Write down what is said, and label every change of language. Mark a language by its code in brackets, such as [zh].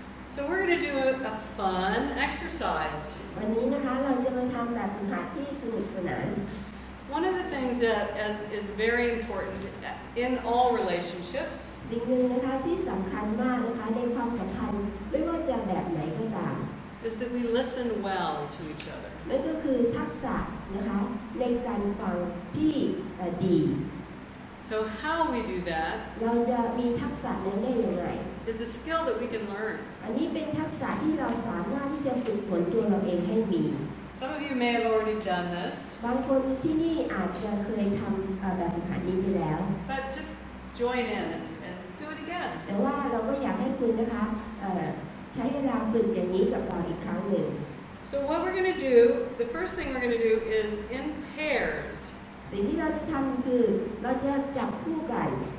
[en] So we're going to do a fun exercise. One of the things that is very important in all relationships [th] สิ่งหนึ่งนะคะที่สำคัญมากนะคะในความสัมพันธ์ไม่ว่าจะแบบไหนก็ตาม [en] is that we listen well to each other. [th] นั่นก็คือทักษะนะคะในการฟังที่ดี [en] So how we do that? [th] เราจะมีทักษะนั้นได้อย่างไร [en] It's a skill that we can learn. [th] อันนี้เป็นทักษะที่เราสามารถที่จะฝึกฝนตัวเราเองให้มี [en] Some of you may have already done this. [th] บางคนที่นี่อาจจะเคยทำแบบหัดนี้ไปแล้ว [en] But just join in and do it again. [th] แต่ว่าเราก็อยากให้คุณนะคะใช้เวลาฝึกอย่างนี้กับเราอีกครั้งหนึ่ง [en] So what we're going to do, the first thing we're going to do is in pairs. [th] สิ่งที่เราจะทำคือเราจะจับคู่กัน